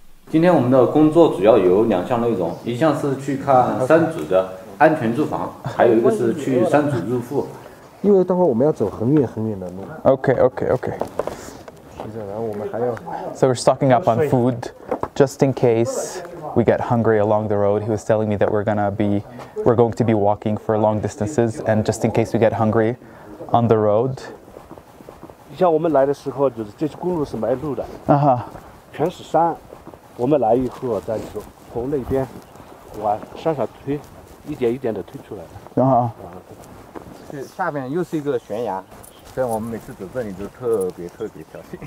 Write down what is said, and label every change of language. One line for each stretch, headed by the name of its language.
Chinese: 今天我们的工作主要有两项内容，一项是去看山主的安全住房，还有一个是去山主入户。因为待会我们要走很远很远的路。 OK. 接着，然后我们还要。
English: So we're stocking up on food, just in case we get hungry along the road. He was telling me that we're going to be walking for long distances, and just in case we get hungry on the road.
Chinese: 像我们来的时候，就是这些公路是没路的。全是山。我们来以后再说，从那边往山上推，一点一点的推出来的。下面又是一个悬崖，所以我们每次走这里都特别特别小心。